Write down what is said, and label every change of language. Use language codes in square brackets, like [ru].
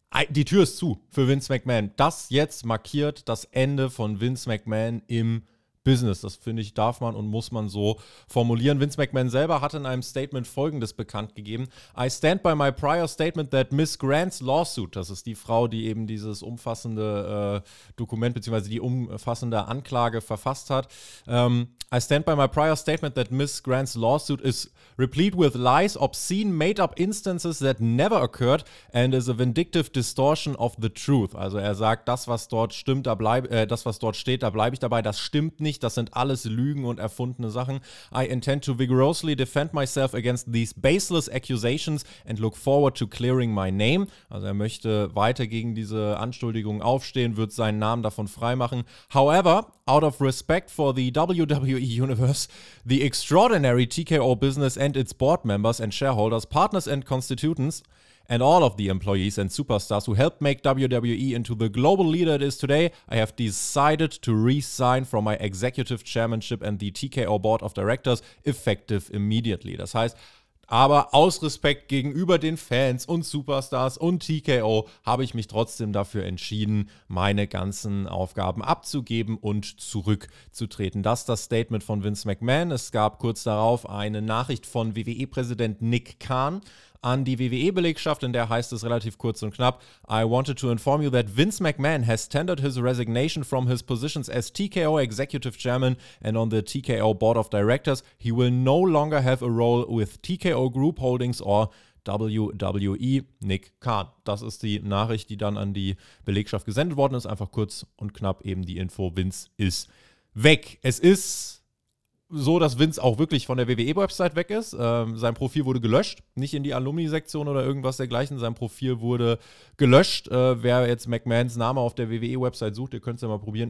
[de] Die Tür ist zu für Vince McMahon. Das jetzt markiert das Ende von Vince McMahon im Business. Das, finde ich, darf man und muss man so formulieren. Vince McMahon selber hat in einem Statement Folgendes bekannt gegeben. [en] I stand by my prior statement that Miss Grant's lawsuit, [de] das ist die Frau, die eben dieses umfassende Dokument bzw. die umfassende Anklage verfasst hat. [en] I stand by my prior statement that Miss Grant's lawsuit is replete with lies, obscene, made-up instances that never occurred and is a vindictive distortion of the truth. [de] Also er sagt, das, was dort stimmt, da bleibe ich dabei, das stimmt nicht, das sind alles Lügen und erfundene Sachen. [en] I intend to vigorously defend myself against these baseless accusations and look forward to clearing my name. [de] Also er möchte weiter gegen diese Anschuldigungen aufstehen, wird seinen Namen davon freimachen. [en] However, out of respect for the WWE Universe, the extraordinary TKO business and its board members and shareholders, partners and constituents, and all of the employees and superstars who helped make WWE into the global leader it is today, I have decided to resign from my executive chairmanship and the TKO board of directors effective immediately. [de] Das heißt, aber aus Respekt gegenüber den Fans und Superstars und TKO habe ich mich trotzdem dafür entschieden, meine ganzen Aufgaben abzugeben und zurückzutreten. Das ist das Statement von Vince McMahon. Es gab kurz darauf eine Nachricht von WWE-Präsident Nick Khan an die WWE-Belegschaft, in der heißt es relativ kurz und knapp: [en] I wanted to inform you that Vince McMahon has tendered his resignation from his positions as TKO Executive Chairman and on the TKO Board of Directors. He will no longer have a role with TKO Group Holdings or WWE. Nick Khan. [de] Das ist die Nachricht, die dann an die Belegschaft gesendet worden ist. Einfach kurz und knapp eben die Info: Vince ist weg. Es ist so, dass Vince auch wirklich von der WWE-Website weg ist. Sein Profil wurde gelöscht, nicht in die Alumni-Sektion oder irgendwas dergleichen. Sein Profil wurde gelöscht. Wer jetzt McMahons Name auf der WWE-Website sucht, ihr könnt es ja mal probieren.